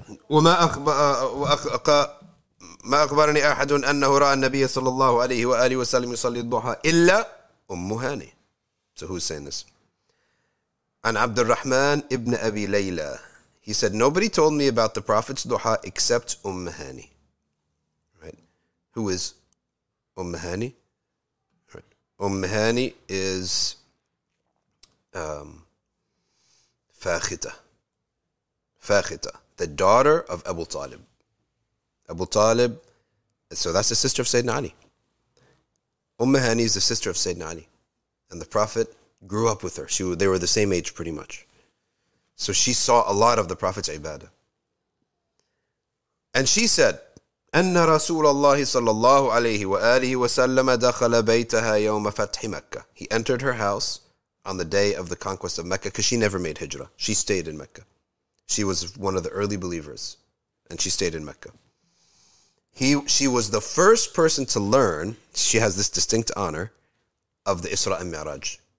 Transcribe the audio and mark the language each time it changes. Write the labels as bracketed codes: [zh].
[ar] وما ما أخبرني أحد أنه رأى النبي صلى الله عليه وآله وسلم يصلي الضحى إلا أم هاني. [en] So who's saying this? [ar] عن عبد الرحمن ابن أبي ليلى. [en] He said, nobody told me about the Prophet's duha except أم هاني. Right? Who is أم هاني? Right. أم هاني is فاختة. The daughter of Abu Talib. Abu Talib, so that's the sister of Sayyidina Ali. Umm Hani is the sister of Sayyidina Ali. And the Prophet grew up with her. They were the same age pretty much. So she saw a lot of the Prophet's ibadah. And she said, [ar] أن رسول الله صلى الله عليه وآله وسلم دخل بيتها يوم فتح مكة. [en] He entered her house on the day of the conquest of Mecca, because she never made hijrah. She stayed in Mecca. She was one of the early believers, and she stayed in Mecca. She was the first person to learn, she has this distinct honor, of the Isra and Mi'raj.